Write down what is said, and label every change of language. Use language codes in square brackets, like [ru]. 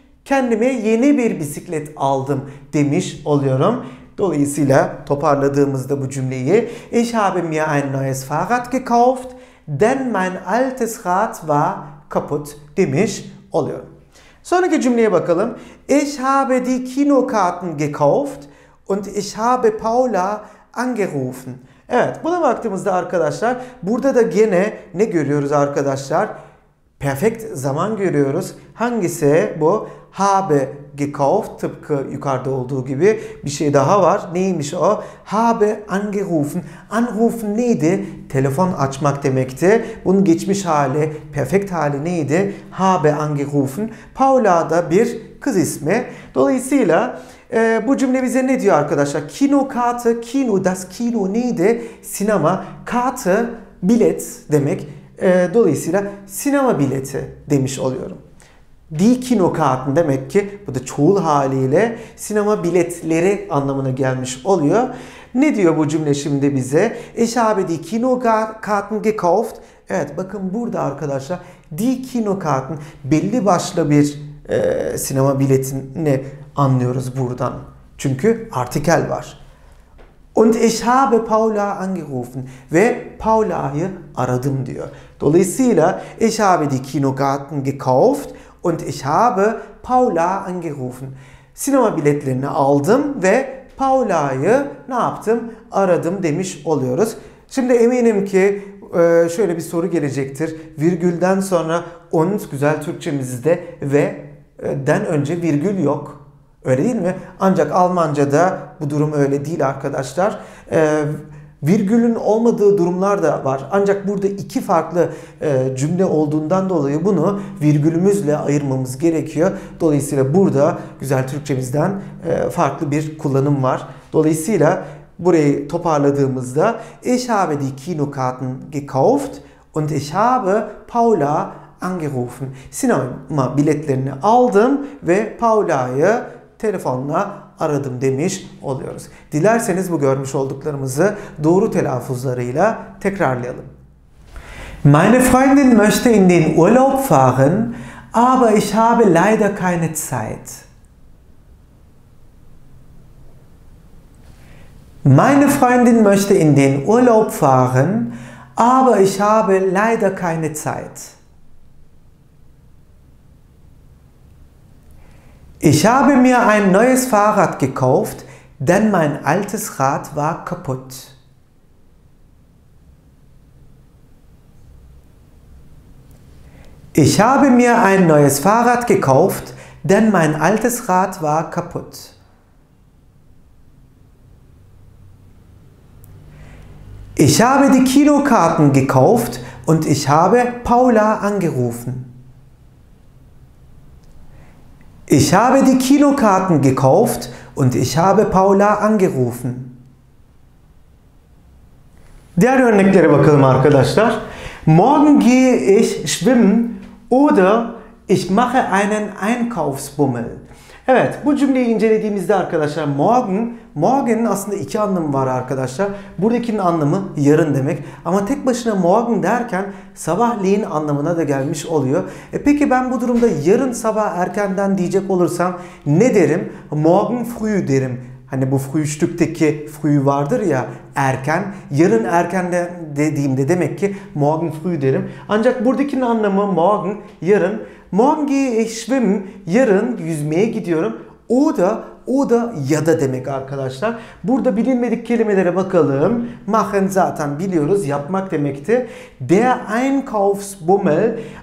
[tr] Kendime yeni bir bisiklet aldım demiş oluyorum. Dolayısıyla toparladığımızda bu cümleyi [de] Ich habe mir ein neues Fahrrad gekauft, denn mein altes Rad war kaputt [tr] demiş oluyorum. Sonraki cümleye bakalım. [de] Ich habe die Kinokarten gekauft und ich habe Paula angerufen. [tr] Evet, buna baktığımızda arkadaşlar burada da gene ne görüyoruz arkadaşlar? Perfekt zaman görüyoruz. Hangisi bu? Habe gekauft, tıpkı yukarıda olduğu gibi bir şey daha var. Neymiş o? Habe angerufen. Anrufen neydi? Telefon açmak demekti. Bunun geçmiş hali, perfekt hali neydi? Habe angerufen. Paula da bir kız ismi. Dolayısıyla bu cümle bize ne diyor arkadaşlar? Kino kartı, kino, das kino neydi? Sinema kartı, bilet demek. Dolayısıyla sinema bileti demiş oluyorum. Die Kinokarten demek ki bu da çoğul haliyle sinema biletleri anlamına gelmiş oluyor. Ne diyor bu cümle şimdi bize? [de] Ich habe die Kinokarten gekauft. [tr] Evet bakın burada arkadaşlar die Kinokarten belli başlı bir sinema biletini anlıyoruz buradan. Çünkü artikel var. [de] Und ich habe Paula angerufen. [tr] Ve Paula'yı aradım diyor. Dolayısıyla [de] ich habe die Kinokarten gekauft. Und ich habe Paula angerufen. [tr] Sinema biletlerini aldım ve Paula'yı ne yaptım? Aradım demiş oluyoruz. Şimdi eminim ki şöyle bir soru gelecektir. Virgülden sonra und güzel Türkçemizde ve den önce virgül yok. Öyle değil mi? Ancak Almanca'da bu durum öyle değil arkadaşlar. Virgülün olmadığı durumlar da var. Ancak burada iki farklı cümle olduğundan dolayı bunu virgülümüzle ayırmamız gerekiyor. Dolayısıyla burada güzel Türkçemizden farklı bir kullanım var. Dolayısıyla burayı toparladığımızda [de] Ich habe die Kinokarten gekauft und ich habe Paula angerufen. [tr] Sinema biletlerini aldım ve Paula'yı telefonla aradım demiş oluyoruz. Dilerseniz bu görmüş olduklarımızı doğru telaffuzlarıyla tekrarlayalım. [de] Meine Freundin möchte in den Urlaub fahren, aber ich habe leider keine Zeit. Meine Freundin möchte in den Urlaub fahren, aber ich habe leider keine Zeit. Ich habe mir ein neues Fahrrad gekauft, denn mein altes Rad war kaputt. Ich habe mir ein neues Fahrrad gekauft, denn mein altes Rad war kaputt. Ich habe die Kinokarten gekauft und ich habe Paula angerufen. Ich habe die Kinokarten gekauft und ich habe Paula angerufen. [tr] Diğer örneklere bakalım arkadaşlar. [de] Morgen gehe ich schwimmen oder ich mache einen Einkaufsbummel. [tr] Evet, bu cümleyi incelediğimizde arkadaşlar morgen'in aslında iki anlamı var arkadaşlar. Buradakinin anlamı yarın demek. Ama tek başına morgen derken sabahleyin anlamına da gelmiş oluyor. Peki ben bu durumda yarın sabah erkenden diyecek olursam ne derim? [de] Morgen früh [tr] derim. Hani bu frühstückteki früh vardır ya erken. Yarın erken dediğimde demek ki morgen früh derim. Ancak buradakinin anlamı morgen yarın. [de] Morgen gehe ich schwimmen, [tr] yarın yüzmeye gidiyorum. O da ya da demek arkadaşlar. Burada bilinmedik kelimelere bakalım. Machen zaten biliyoruz, yapmak demekti. Der Einkaufsbummel.